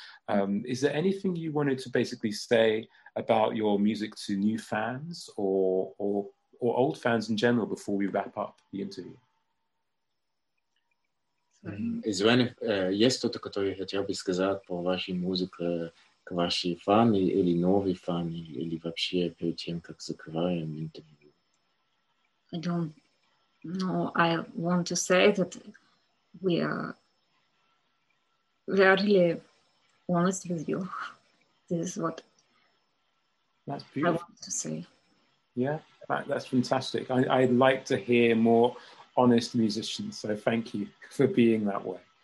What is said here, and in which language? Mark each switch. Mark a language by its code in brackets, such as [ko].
[en] Is there anything you wanted to basically say about your music to new fans or old fans in general before we wrap up the interview? Is there any [ru] что-то, которое хотел бы сказать по вашей музыке к вашей фане или новой фане или вообще перед тем, как закрываем интервью? [en] I don't know. I want to say that we are really honest with you. This is what that's beautiful. I want to say. Yeah, that's fantastic. I'd like to hear more honest musicians, so thank you for being that way.